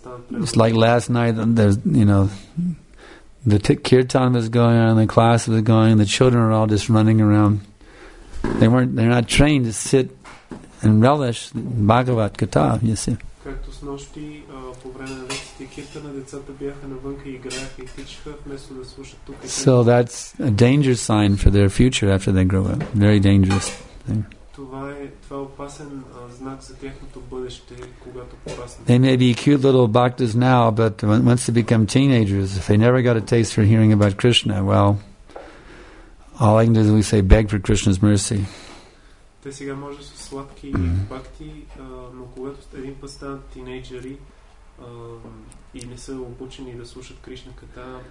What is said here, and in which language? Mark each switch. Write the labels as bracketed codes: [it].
[en] It's like last night, there's, you know, the kirtan was going on, the class was going, the children are all just running around. They're not trained to sit and relish Bhagavad Gita, you see. [bg] Както с нощи, по време на вечерта киртана, децата бяха навънка и играха и тичаха, вместо да слушат тук. [en] So that's a dangerous sign for their future after they grow up. Very dangerous thing. [bg] Това е опасен знак за тяхното бъдеще, когато пораснат. [en] They may be cute little bhaktas now, but once they become teenagers, if they never got a taste for hearing about Krishna, well, all I can do is we say, beg for Krishna's mercy. [bg] Те сега може са сладки бхакти, но когато един път станат тинейджери и не са обучени да слушат Кришна ката,